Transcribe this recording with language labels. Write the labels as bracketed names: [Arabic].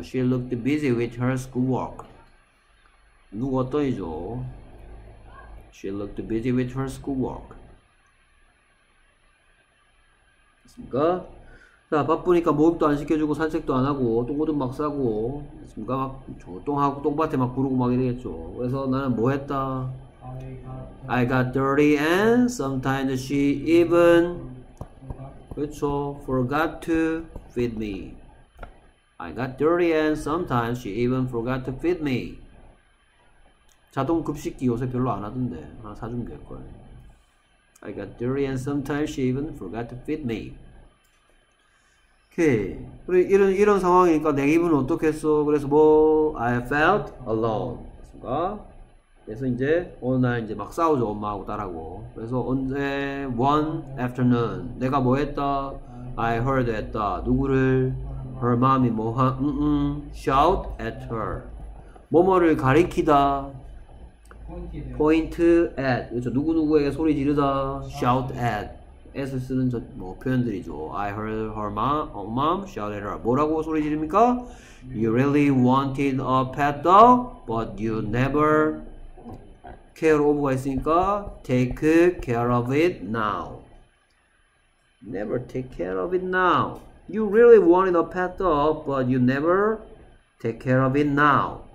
[English] She looked busy with her schoolwork. [Korean] 누구 어떤이죠? [English] She looked busy with her schoolwork. [Korean] 됐습니까? 자, 바쁘니까 목욕도 안 시켜주고 산책도 안 하고 똥오줌 막 싸고 됐습니까? 막 똥하고 똥밭에 막 구르고 막 이러겠죠. 그래서 나는 뭐 했다? [English] I got dirty and sometimes she even [Korean] 그렇죠? [English] forgot to feed me. I got dirty and sometimes she even forgot to feed me. [Korean] 자동 급식기 요새 별로 안 하던데 하나 사주면 될걸. [English] I got dirty and sometimes she even forgot to feed me. [Korean] 오케이. 이런 상황이니까 내 기분은 어떻겠어? 그래서 뭐 [English] I felt alone. [Korean] 됐습니까? 그래서 이제 어느 날 이제 막 싸우죠 엄마하고 딸하고. 그래서 언제 [English] one afternoon [Korean] 내가 뭐 했다? [English] I heard [Korean] 했다. 누구를? [English] Her mom [Korean] 이 뭐 한? [English] Shout at her. [Korean] 뭐뭐를 가리키다. [English] Point at. [Korean] 그렇죠. 누구누구에게 소리 지르다. [English] Shout at. [Korean] S 쓰는 저 뭐 표현들이죠. [English] I heard her mom shout at her. [Korean] 뭐라고 소리 지릅니까? [English] You really wanted a pet dog, but you never care of가 있으니까 take care of it now. Never take care of it now. You really wanted a pet dog, but you never take care of it now.